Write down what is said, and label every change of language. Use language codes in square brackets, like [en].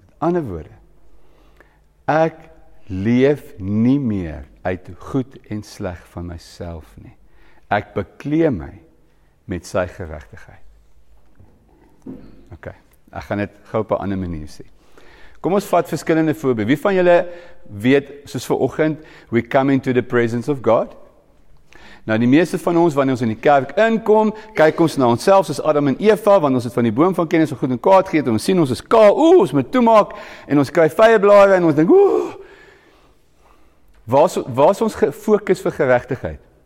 [af] Met ander woorde, ek leef nie meer uit goed en sleg van myself nie. Ek bekleem my met sy geregtigheid. Ok, ek gaan dit gauw op 'n ander manier sê. Kom ons vat verskillende voorbeelde. Wie van julle weet, soos vanoggend, [en] we come into the presence of God? [af] Nou die meeste van ons, wanneer ons in die kerk inkom, kyk ons na onsself soos Adam en Eva, want ons het van die boom van kennis van goed en kwaad geëet, en ons sien ons is kaal, oeh, ons moet toemaak, en ons kry vyerblare, en ons dink, oeh, waar is ons gefokus vir geregtigheid?